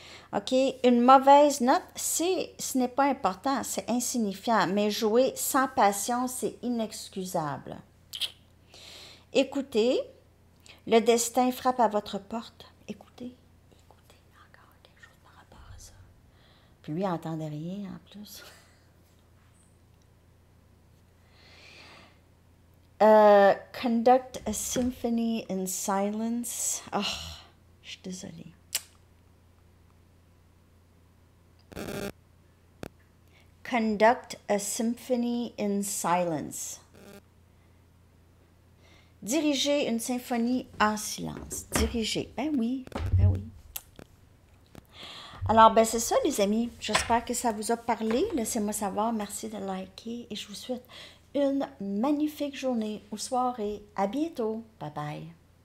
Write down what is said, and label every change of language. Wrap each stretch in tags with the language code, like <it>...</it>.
<fr>OK, une mauvaise note, ce n'est pas important, c'est insignifiant, mais jouer sans passion, c'est inexcusable. Écoutez, le destin frappe à votre porte. Écoutez, il y a encore quelque chose par rapport à ça. Puis lui, il n'entendait rien en plus.</fr> <en>Conduct a symphony in silence.</en> <fr>Oh, je suis désolée.</fr> <en>Conduct a symphony in silence.</en> <fr>Diriger une symphonie en silence. Diriger. Ben oui. Alors, ben c'est ça, les amis. J'espère que ça vous a parlé. Laissez-moi savoir. Merci de liker et je vous souhaite une magnifique journée ou soirée. À bientôt. Bye bye.</fr>